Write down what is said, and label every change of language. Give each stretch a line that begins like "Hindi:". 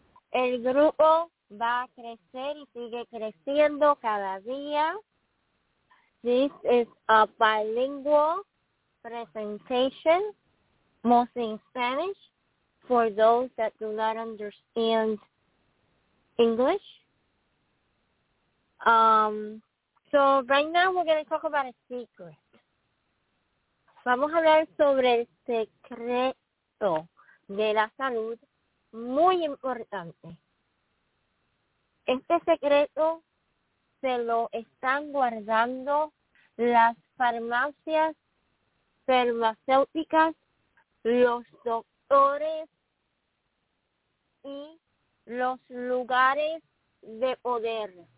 Spanish: El grupo va a crecer y sigue creciendo cada día.
English: This is a bilingual presentation, mostly in Spanish, for those that do not understand English. So right now we're going to talk about a secret.
Spanish: Vamos a hablar sobre el secreto de la salud, muy importante. Este secreto se lo están guardando las farmacias, farmacéuticas, los doctores y los lugares de poder.